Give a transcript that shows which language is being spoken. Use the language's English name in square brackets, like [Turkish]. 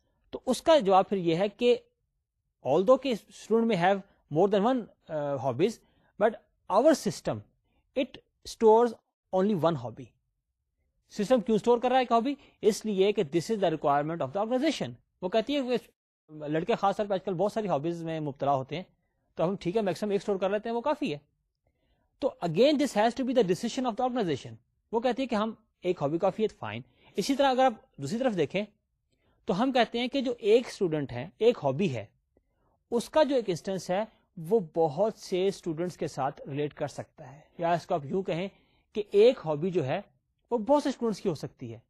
[Urdu] تو اس کا جواب پھر یہ ہے کہ [English] Although کہ student میں have more than one hobbies, but our system it stores only one hobby. [Urdu] System کیوں اسٹور کر رہا ہے ایک ہابی؟ اس لیے کہ [English] This is the requirement of the organization. [Urdu] وہ کہتی ہے کہ لڑکے خاص طور پہ آج کل بہت ساری ہابیز میں مبتلا ہوتے ہیں, تو ہم ٹھیک ہے میکسیمم ایک اسٹور کر لیتے ہیں, وہ کافی ہے. [English] تو again this has to be the decision of the organization. [Urdu] وہ کہتی ہے کہ ہم ایک ہابی کافی ہے, فائن. اسی طرح اگر آپ دوسری طرف دیکھیں تو ہم کہتے ہیں کہ جو ایک اسٹوڈنٹ ہے, ایک ہابی ہے, اس کا جو ایک انسٹنس ہے وہ بہت سے اسٹوڈنٹس کے ساتھ ریلیٹ کر سکتا ہے. یا اس کو آپ یوں کہیں کہ ایک ہابی جو ہے وہ بہت سے اسٹوڈنٹس کی ہو سکتی ہے.